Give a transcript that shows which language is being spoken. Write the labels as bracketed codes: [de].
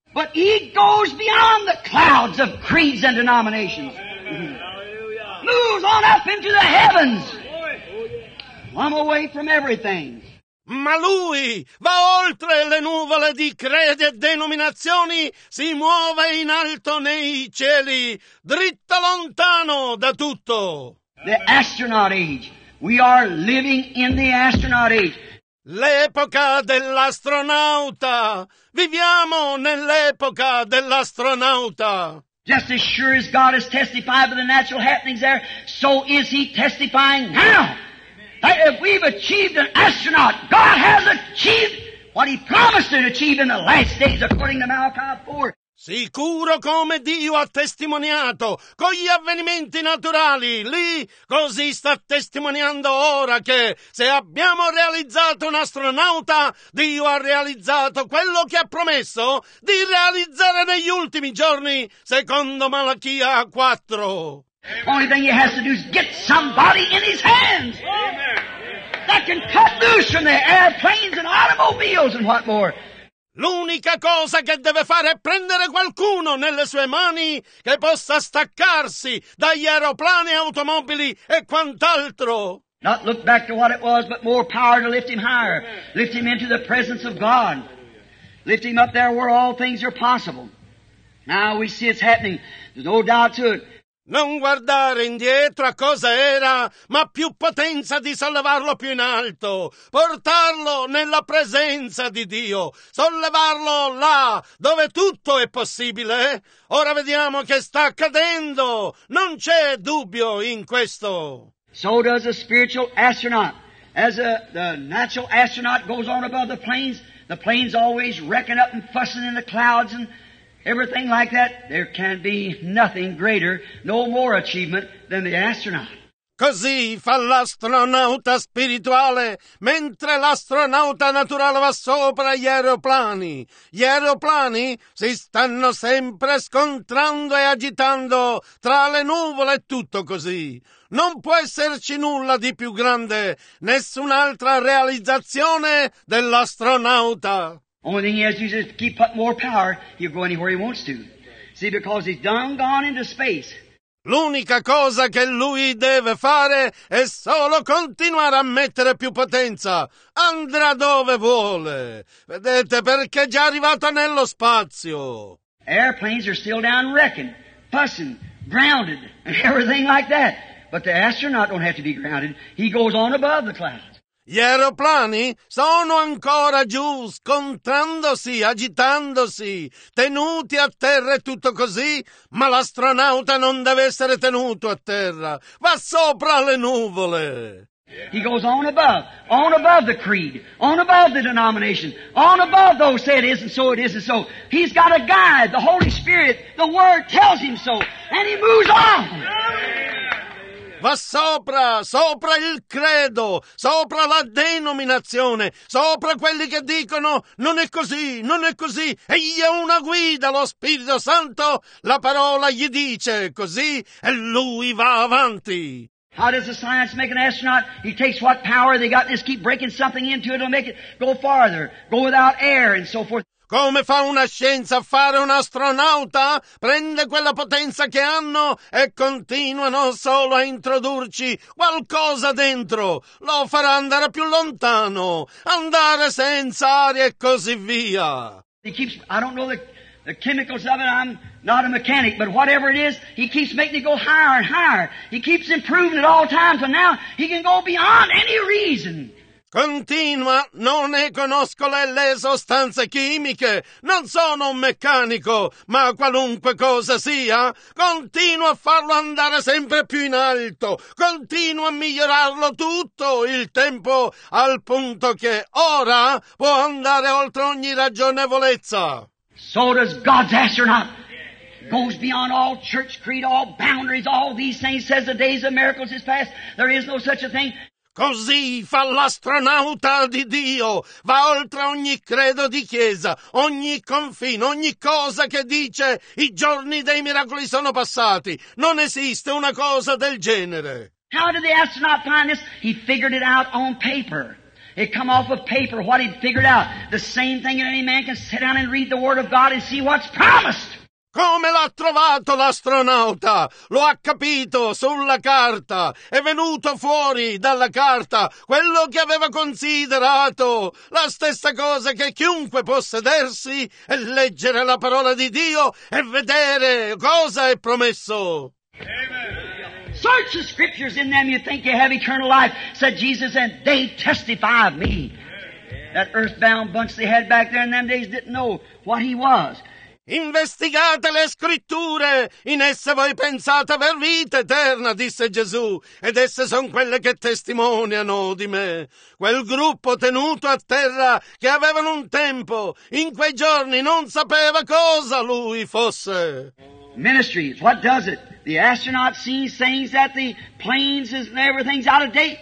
[en] But he goes beyond the clouds of creeds and denominations. Moves on up into the heavens. I'm away from everything. [it] Ma lui va oltre le nuvole di credi e denominazioni, si muove in alto nei cieli, dritto lontano da tutto. [en] The astronaut age. We are living in the astronaut age. [it] L'epoca dell'astronauta. Viviamo nell'epoca dell'astronauta. [en] Just as sure as God has testified by the natural happenings there, so is he testifying now. If we've achieved an astronaut, God has achieved what he promised to achieve in the last days according to Malachi 4. [it] Sicuro come Dio ha testimoniato con gli avvenimenti naturali lì, così sta testimoniando ora che se abbiamo realizzato un astronauta, Dio ha realizzato quello che ha promesso di realizzare negli ultimi giorni, secondo Malachia 4. [en] Only thing he has to do is get somebody in his hands. Amen. That can cut loose from the airplanes and automobiles and what more. [it] L'unica cosa che deve fare è prendere qualcuno nelle sue mani che possa staccarsi dagli aeroplani, automobili e quant'altro. [en] Not look back to what it was, but more power to lift him higher. Amen. Lift him into the presence of God. Hallelujah. Lift him up there where all things are possible. Now we see it's happening. There's no doubt to it. [it] Non guardare indietro a cosa era, ma più potenza di sollevarlo più in alto, portarlo nella presenza di Dio, sollevarlo là dove tutto è possibile. Ora vediamo che sta accadendo, non c'è dubbio in questo. [en] So does a spiritual astronaut. As the natural astronaut goes on above the planes always wrecking up and fussing in the clouds and everything like that, there can be nothing greater, no more achievement than the astronaut. [it] Così fa l'astronauta spirituale, mentre l'astronauta naturale va sopra gli aeroplani. Gli aeroplani si stanno sempre scontrando e agitando tra le nuvole e tutto così. Non può esserci nulla di più grande, nessun'altra realizzazione dell'astronauta. [en] Only thing he has to do is keep up more power, he'll go anywhere he wants to. See, because he's done gone into space. [it] L'unica cosa che lui deve fare è solo continuare a mettere più potenza. Andrà dove vuole. Vedete, perché è già arrivato nello spazio. [en] Airplanes are still down wrecking, fussing, grounded, and everything like that. But the astronaut don't have to be grounded. He goes on above the clouds. [it] Gli aeroplani sono ancora giù, scontrandosi, agitandosi, tenuti a terra e tutto così, ma l'astronauta non deve essere tenuto a terra, va sopra le nuvole. [en] He goes on above the creed, on above the denomination, on above those say it isn't so, it isn't so. He's got a guide, the Holy Spirit, the Word tells him so, and he moves on. [it] Va sopra, sopra il credo, sopra la denominazione, sopra quelli che dicono non è così, non è così. Egli è una guida, lo Spirito Santo, la parola gli dice così e lui va avanti. [en] How does the science make an astronaut? He takes what power they got and just keep breaking something into it to make it go farther, go without air and so forth. [it] Come fa una scienza a fare un astronauta? Prende quella potenza che hanno e continuano solo a introdurci qualcosa dentro. Lo farà andare più lontano, andare senza aria e così via. [en] He keeps, I don't know the chemicals of it, I'm not a mechanic, but whatever it is, he keeps making it go higher and higher. He keeps improving at all times, and now he can go beyond any reason. [it] Continua, non ne conosco le sostanze chimiche, non sono un meccanico, ma qualunque cosa sia, continua a farlo andare sempre più in alto, continua a migliorarlo tutto il tempo, al punto che ora può andare oltre ogni ragionevolezza. [en] So does God's astronaut. Goes beyond all church creed, all boundaries, all these things, says the days of miracles is past, there is no such a thing. [it] Così fa l'astronauta di Dio, va oltre ogni credo di chiesa, ogni confine, ogni cosa che dice i giorni dei miracoli sono passati, non esiste una cosa del genere. [en] How did the astronaut find this? He figured it out on paper. It come off of paper, what he figured out. The same thing that any man can sit down and read the Word of God and see what's promised. [it] Come l'ha trovato l'astronauta? Lo ha capito sulla carta. È venuto fuori dalla carta quello che aveva considerato. La stessa cosa che chiunque può sedersi e leggere la parola di Dio e vedere cosa è promesso. [en] Amen. Search the scriptures, in them you think you have eternal life, said Jesus, and they testify of me. That earthbound bunch they had back there in them days didn't know what he was. [it] Investigate le scritture, in esse voi pensate aver vita eterna, disse Gesù, ed esse sono quelle che testimoniano di me. Quel gruppo tenuto a terra che avevano un tempo, in quei giorni non sapeva cosa lui fosse. [en] Ministries, what does it? The astronaut sees things that the planes and everything's out of date.